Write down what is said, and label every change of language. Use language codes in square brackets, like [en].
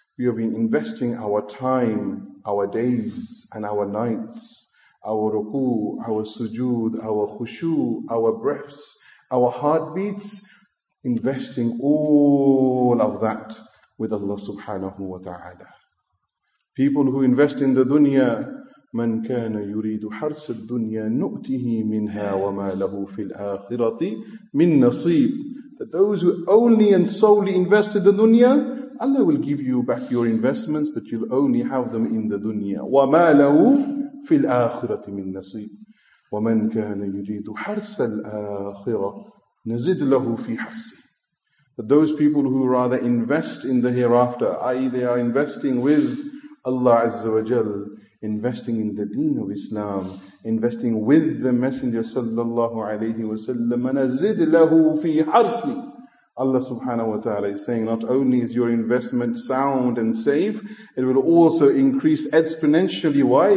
[en] We have been investing our time, our days and our nights, our ruku, our sujood, our khushu, our breaths, our heartbeats, investing all of that with Allah subhanahu wa ta'ala. People who invest in the dunya, [ar] من كان يريد حرص الدنيا نؤته منها وما له في الآخرة من نصيب. [en] That those who only and solely invest in the dunya, Allah will give you back your investments, but you'll only have them in the dunya. [ar] وما له في الآخرة من نصيب. ومن كان يريد حرص الآخرة نزد له في حرصه. [en] That those people who rather invest in the hereafter, i.e. they are investing with Allah Azza wa Jal, investing in the deen of Islam, investing with the Messenger sallallahu alayhi wa sallam, [ar] نزد له في حرصه. [en] Allah subhanahu wa ta'ala is saying, not only is your investment sound and safe, it will also increase exponentially. Why?